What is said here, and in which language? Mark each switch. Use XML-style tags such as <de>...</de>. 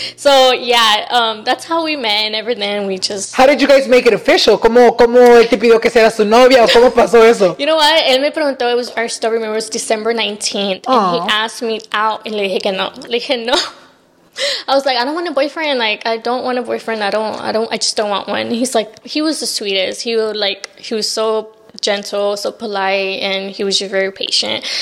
<en>So yeah, that's how we met, and ever then we just, how did you guys make it official?</en> <es>¿Cómo él te pidió que sea su novia, o cómo pasó eso?</es> <en>You know what,</en> <es>él me preguntó,</es> <en>I still remember, it was December 19th, and he asked me out,</en> <es>y le dije que no.</es> <en>I was like, I don't want a boyfriend. Like, I don't want a boyfriend. I just don't want one. He's like, he was the sweetest. He was so gentle, so polite, and he was just very patient.</en>